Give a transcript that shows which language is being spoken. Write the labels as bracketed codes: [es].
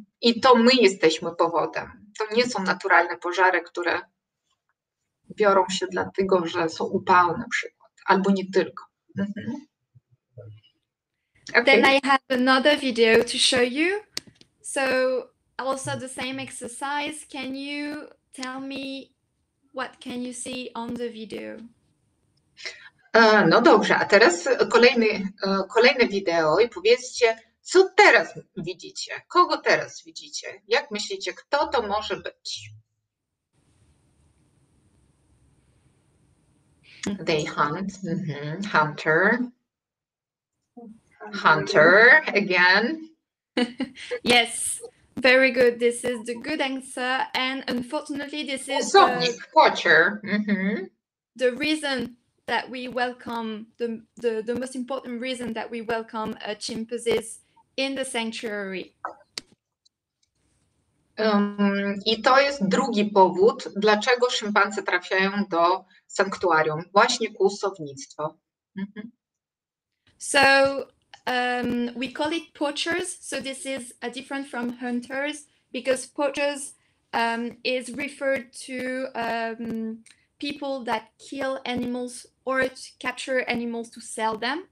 [pl] I to my jesteśmy powodem. To nie są naturalne pożary, które biorą się dlatego, że są upały na przykład. Albo nie tylko. [en] Okay. Then I have another video to show you. So also the same exercise. Can you tell me what can you see on the video? [pl] No dobrze, a teraz kolejne wideo i powiedzcie, co teraz widzicie? Kogo teraz widzicie? Jak myślicie, kto to może być? [en] They hunt. Mm-hmm. Hunter. Hunter again. Yes, very good. This is the good answer. And unfortunately, this is [pl] osobnik, [en] the poacher. Mm-hmm. The reason that we welcome, the most important reason that we welcome a chimpanzees in the sanctuary. [pl] I to jest drugi powód, dlaczego szympansy trafiają do sanktuarium, właśnie ku sownictwu. So we call it poachers, so this is a different from hunters, because poachers is referred to people that kill animals or to capture animals to sell them.